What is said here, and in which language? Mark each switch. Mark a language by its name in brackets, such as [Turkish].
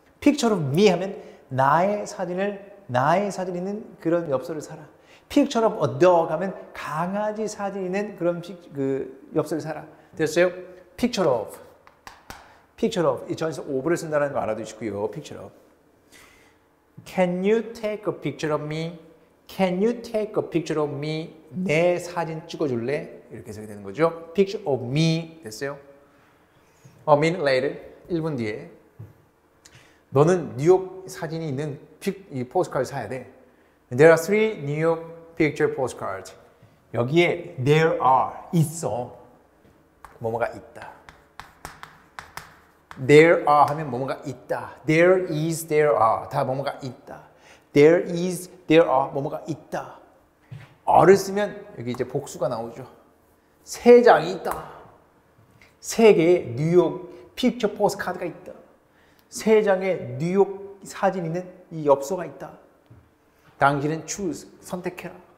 [English] picture of me [Korean] 하면 나의 사진을 나의 사진이 있는 그런 엽서를 사라. [English] picture of a dog [Korean] 하면 강아지 사진이 있는 그런 엽서를 사라. 됐어요? picture of picture of, 이 전에서 of를 쓴다는 거 알아두시고요. picture of. [English] Can you take a picture of me? Can you take a picture of me? [Korean] 내 사진 찍어줄래? 이렇게 해석이 되는 거죠. [English] picture of me [Korean] 됐어요. [English] A minute later, [Korean] 1분 뒤에. 너는 뉴욕 사진이 있는 이 포스트카드 사야 돼. [English] There are three New York picture postcards. [Korean] 여기에 there are, 있어. 뭐뭐가 있다. [English] There are [Korean] 하면 뭐뭐가 있다. [English] There is, there are [Korean] 다 뭐뭐가 있다. [English] There is, there are [Korean] 뭐뭐가 있다. are를 쓰면 여기 이제 복수가 나오죠. 세 장이 있다. 세 개의 뉴욕 picture postcard가 있다. 세 장의 뉴욕 사진 있는 이 엽서가 있다. 당신은 choose 선택해라.